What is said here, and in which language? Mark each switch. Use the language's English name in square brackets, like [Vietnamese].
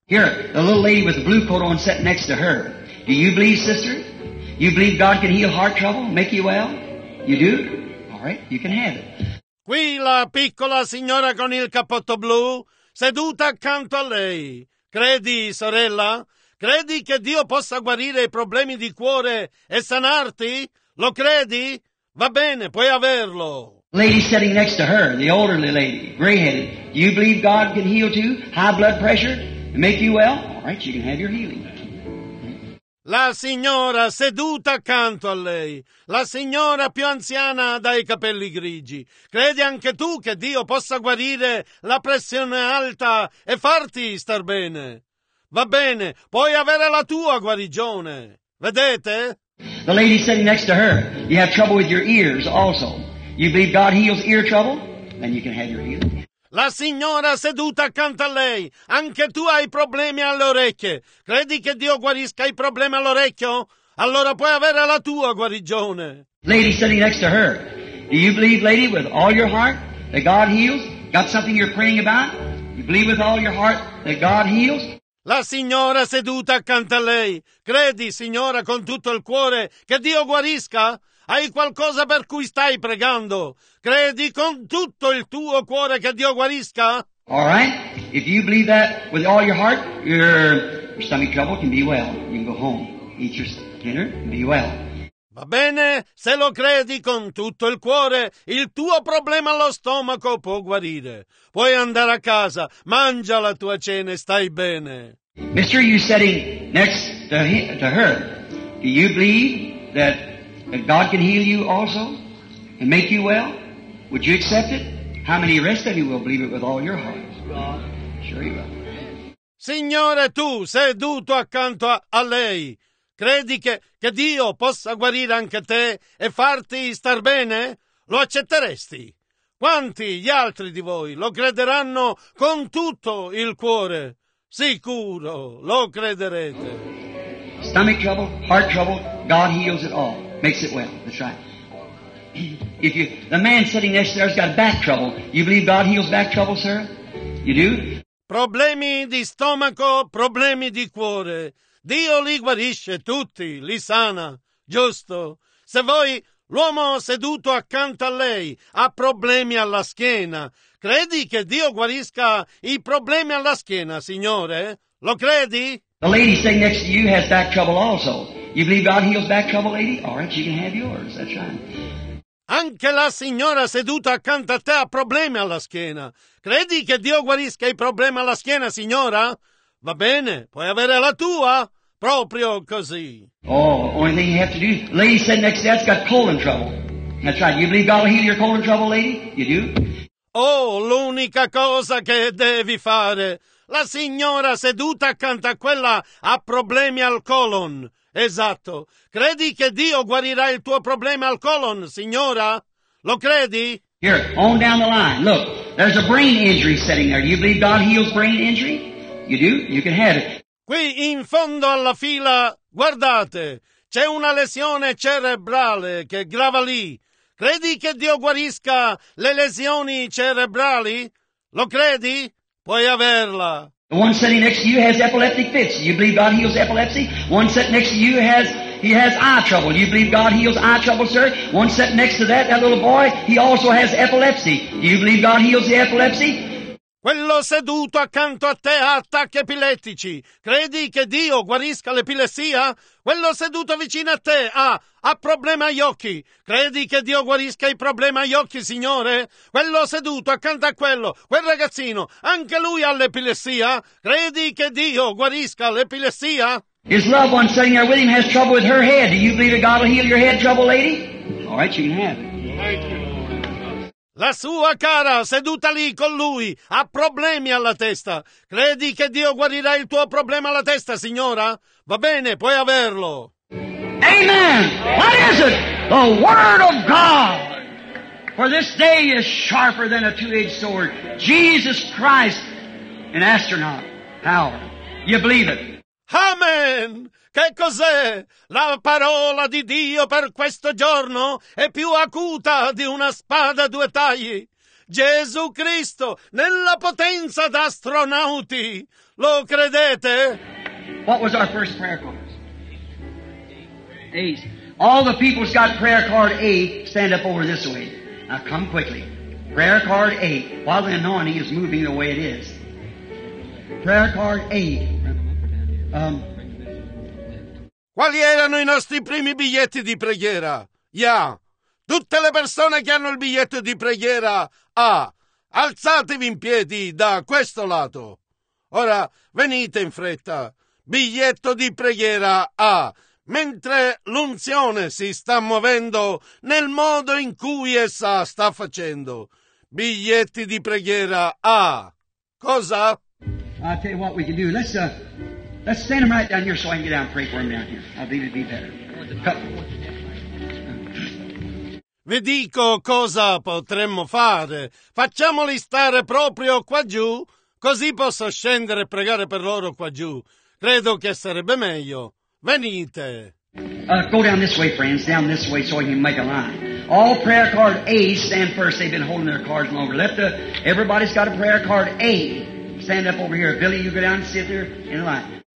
[English] Here, the little lady with the blue coat on sat next to her. Do you believe, sister? You believe God can heal heart trouble, make you well? You do? All right, you can have it. [Italian] Qui la piccola signora con il cappotto blu, seduta accanto a lei. Credi, sorella? Credi che Dio possa guarire i problemi di cuore e sanarti? Lo credi? Va bene, puoi averlo. [English] Lady sitting next to her, the elderly lady, gray-headed. Do you believe God can heal too? High blood pressure and make you well? All right, you can have your healing. [Italian] La signora seduta accanto a lei, la signora più anziana dai capelli grigi. Credi anche tu che Dio possa guarire la pressione alta e farti star bene? Va bene, puoi avere la tua guarigione. Vedete? [English] The lady sitting next to her, you have trouble with your ears also. You believe God heals ear trouble? Then you can have your healing. [Italian] La signora seduta accanto a lei, anche tu hai problemi alle orecchie. Credi che Dio guarisca i problemi all'orecchio? Allora puoi avere la tua guarigione. [English] Lady sitting next to her, do you believe, lady, with all your heart that God heals? Got something you're praying about? You believe with all your heart that God heals? [Italian] La signora seduta accanto a lei, credi, signora, con tutto il cuore che Dio guarisca? Hai qualcosa per cui stai pregando? Credi con tutto il tuo cuore che Dio guarisca? [English] All right. If you believe that with all your heart, your stomach trouble can be well. You can go home. Eat your dinner and be well. [Italian] Va bene. Se lo credi con tutto il cuore, il tuo problema allo stomaco può guarire. Puoi andare a casa. Mangia la tua cena e stai bene. [English] Mister, you sitting next to her. Do you believe that that God can heal you also and make you well? Would you accept it? How many rest of you will believe it with all your heart? Sure you will. [Italian] Signore, tu seduto accanto a lei, credi che Dio possa guarire anche te e farti star bene? Lo accetteresti? Quanti gli altri di voi lo crederanno con tutto il cuore? Sicuro lo crederete. [English] Stomach trouble, heart trouble, God heals it all. Makes it well. That's right. If you, the man sitting next to there has got back trouble. You believe God heals back trouble, sir? You do? [Italian] Problemi di stomaco, problemi di cuore. Dio li guarisce tutti, li sana. Giusto. Se voi, l'uomo seduto accanto a lei, ha problemi alla schiena, credi che Dio guarisca i problemi alla schiena, signore? Lo credi? [English] The lady sitting next to you has back trouble also. You believe God heals back trouble, lady? All right, you can have yours. That's right. [Italian] Anche la signora seduta accanto a te ha problemi alla schiena. Credi che Dio guarisca i problemi alla schiena, signora? Va bene, puoi avere la tua. Proprio così. [English] Oh, only thing you have to do. Lady said next to that's got colon trouble. That's right. You believe God will heal your colon trouble, lady? You do? [Italian] Oh, l'unica cosa che devi fare. La signora seduta accanto a quella ha problemi al colon. Esatto. Credi che Dio guarirà il tuo problema al colon, signora? Lo credi? [English] Here, on down the line. Look, there's a brain injury sitting there. You believe God heals brain injury? You do? You can have it. [Italian] Qui in fondo alla fila, guardate, c'è una lesione cerebrale che grava lì. Credi che Dio guarisca le lesioni cerebrali? Lo credi? Puoi averla. [English] The one sitting next to you has epileptic fits. You believe God heals epilepsy? One sitting next to you has eye trouble. You believe God heals eye trouble, sir? One sitting next to that little boy, he also has epilepsy. Do you believe God heals the epilepsy? [Italian] Quello seduto accanto a te ha attacchi epilettici. Credi che Dio guarisca l'epilessia? Quello seduto vicino a te ha problemi agli occhi. Credi che Dio guarisca i problemi agli occhi, Signore? Quello seduto accanto a quel ragazzino, anche lui ha l'epilessia? Credi che Dio guarisca l'epilessia? [English] His loved one sitting there with him has trouble with her head. Do you believe that God will heal your head trouble, lady? All right, you can have it. [Italian] La sua cara, seduta lì con lui, ha problemi alla testa. Credi che Dio guarirà il tuo problema alla testa, signora? Va bene, puoi averlo. [English] Amen. What is it? The word of God. For this day is sharper than a two-edged sword. Jesus Christ, an astronaut power. You believe it? [Italian] Amen. Che cos'è? La parola di Dio per questo giorno è più acuta di una spada a due tagli. Gesù Cristo nella potenza d'astronauti. Lo credete? [English] What was our first prayer card? A's. All the people's got prayer card A. Stand up over this way. Now come quickly. Prayer card A. While the anointing is moving the way it is. Prayer card A. [Italian] Quali erano i nostri primi biglietti di preghiera? Yeah. Tutte le persone che hanno il biglietto di preghiera A, alzatevi in piedi da questo lato. Ora venite in fretta. Biglietto di preghiera A. Mentre l'unzione si sta muovendo nel modo in cui essa sta facendo. Biglietti di preghiera A. Cosa? [English] I'll tell you what we can do. Let's stand him right down here so I can get out and pray for him down here. I think it'd be better. [Italian] Vi dico cosa potremmo fare. Facciamoli stare proprio qua giù, così posso scendere e pregare per loro qua giù. Credo che sarebbe meglio. Venite. [English] Go down this way, friends. Down this way so I can make a line. All prayer card A stand first. They've been holding their cards longer. Everybody's got a prayer card A. Stand up over here. Billy, you go down and sit there in line.